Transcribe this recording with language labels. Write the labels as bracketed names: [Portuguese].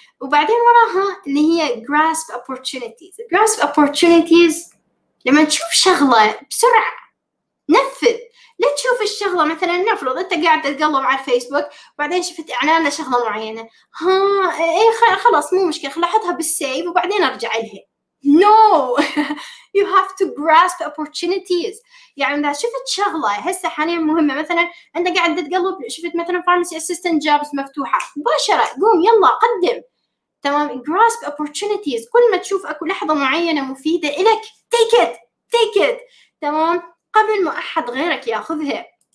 [Arabic] وبعدين وراها اللي هي [English] grasp opportunities. grasp opportunities [Arabic] لما تشوف شغلة بسرعة نفذ. لا تشوف الشغلة مثلا، نفرض أنت قاعد تقلب على الفيسبوك وبعدين شفت إعلان لشغلة معينة، ها إيه خلاص مو مشكلة خلحطها بالسيف وبعدين أرجع لها. [English] No, you have to grasp opportunities. [Arabic] يعني إذا شفت شغلة هسه حاليا مهمة، مثلا أنت قاعد تقلب شفت مثلا pharmacy assistant jobs مفتوحة، مباشرة قوم يلا قدم تمام. grasp opportunities، كل ما تشوف أكو لحظة معينة مفيدة إلك [English] take it [Arabic] تمام، قبل ما أحد غيرك يأخذها.